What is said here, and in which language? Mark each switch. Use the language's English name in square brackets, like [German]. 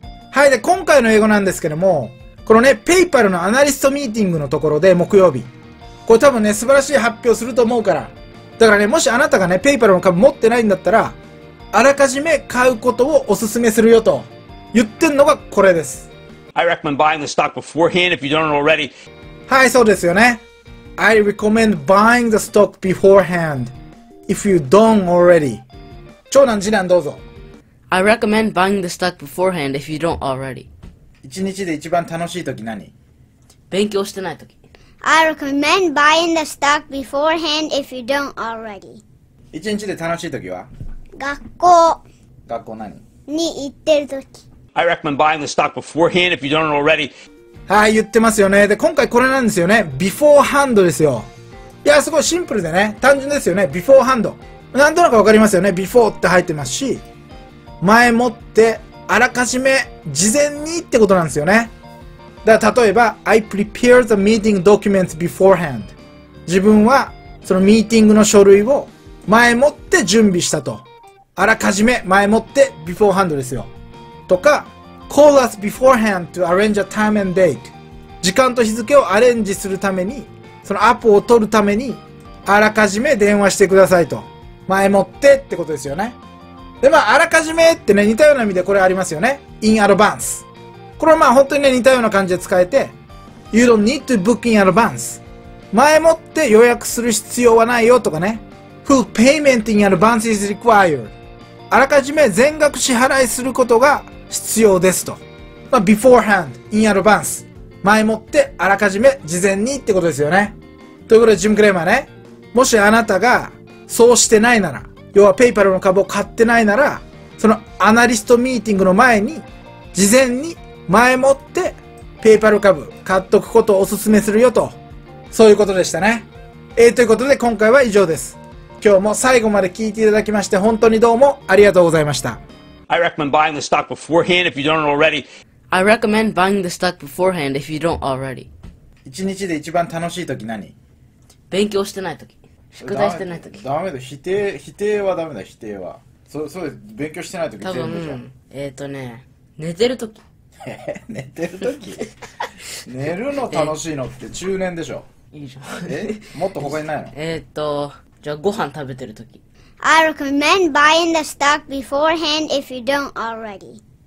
[Japanese] はい、で今回の英語なんですけども、このね、ペイパルのアナリストミーティングのところで木曜日。これ多分ね、素晴らしい発表すると思うから。だからね、もしあなたがね、ペイパルの株持ってないんだったら、あらかじめ買うことをおすすめするよと言ってんのがこれです。 [English] I recommend buying the stock beforehand if you don't already. [Japanese] はい、そうですよね。 [English] I recommend buying the stock beforehand if you don't already. [Japanese] 長男、次男、どうぞ。 [English] I recommend buying the stock beforehand if you don't already. [Japanese] 1日で一番楽しい時何？勉強してない時。 [English] I recommend buying the stock beforehand if you don't already. [Japanese] 1日で楽しい時は？学校。学校何？に行ってる時。 [English] I recommend buying the stock beforehand if you don't already. [Japanese] はい、言ってますよね。で、今回これなんですよね。beforehand ですよ。いや、すごいシンプルでね、単純ですよね。 [English] beforehand。 [Japanese] なんとなくわかりますよね。before って入ってますし、前もって、あらかじめ、事前にってことなんですよね。だから例えば、 [English] I prepare the meeting documents beforehand。 [Japanese] 自分は、そのミーティングの書類を前もって準備したと。あらかじめ、前もって、beforehand ですよ。とか、 [English] call us beforehand to arrange a time and date。 [Japanese] 時間と日付をアレンジするために、そのアポを取るために、あらかじめ電話してくださいと。前もってってことですよね。で、まあ、あらかじめってね、似たような意味でこれありますよね。in advance。これはまあ、本当にね、似たような感じで使えて、 [English] you don't need to book in advance。 [Japanese] 前もって予約する必要はないよとかね。 [English] full payment in advance is required。 [Japanese] あらかじめ全額支払いすることが必要ですと。 [English] まあ、beforehand, in advance。 [Japanese] 前もって、あらかじめ、事前にってことですよね。ということで、ジム・クレーマーね。もしあなたが、そうしてないなら、要はペイパルの株を買ってないなら、そのアナリストミーティングの前に、事前に前もってペイパル株買っとくことをお勧めするよと、そういうことでしたね。ということで今回は以上です。今日も最後まで聞いていただきまして本当にどうもありがとうございました。 [English] I recommend buying the stock beforehand if you don't already. I recommend buying the stock beforehand if you don't already. [Japanese] 一日で一番楽しい時何？勉強してない時。宿題してないとき。ダメだ、否定はダメだ、否定は。そうです、勉強してないとき全部じゃん。寝てるとき。寝てるとき寝るの楽しいのって中年でしょ。いいじゃん。もっと他にないの？じゃあご飯食べてるとき。 [English] I recommend buying the stock beforehand if you don't already.